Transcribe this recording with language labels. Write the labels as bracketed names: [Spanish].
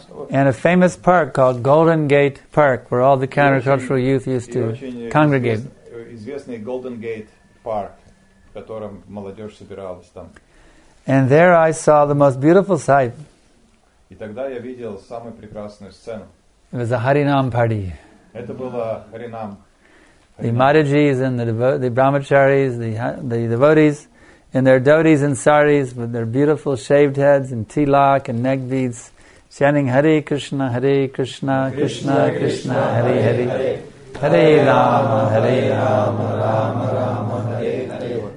[English] And a famous park called Golden Gate Park, where all the countercultural youth used to congregate. [Russian] Известный Golden Gate Park, в котором молодежь собиралась там. [English] And there I saw the most beautiful sight. [Russian] И тогда я видел самую прекрасную сцену. [English] It was a Harinam party. [Russian] Это было Харинам. [English] The Madhijis and the Brahmacharis, the devotees, in their dhotis and saris, with their beautiful shaved heads and tilak and neck beads, chanting Hare Krishna, Hare Krishna, Krishna Krishna, Hare Hare. Hare Rama, Hare Rama, Rama Rama, Hare Hare.